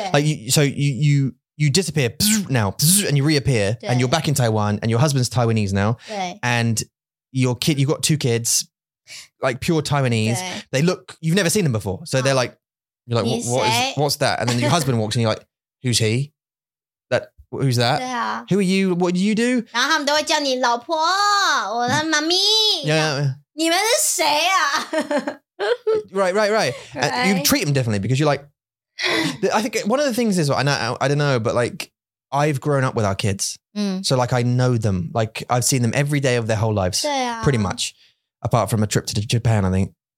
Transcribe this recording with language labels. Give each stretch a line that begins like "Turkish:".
English: Like, you disappear now, and you reappear, and you're back in Taiwan, and your husband's Taiwanese now.
Chinese: 对。
English: And your kid, you've got 2 kids, like pure Taiwanese. They look, you've never seen them before. So they're like, you're like, what's that? And then your husband walks in, you're like, who's he? That who's that? Yeah. Who are you? What do you do?
Chinese: 然后他们都会叫你老婆，我的妈咪。
English: Yeah.
Chinese: 你们是谁啊？
English: Right. And you treat them differently because you're like, I think one of the things is, and I don't know, but like I've grown up with our kids. So like I know them. Like I've seen them every day of their whole lives. Pretty much. Apart from a trip to Japan, I think.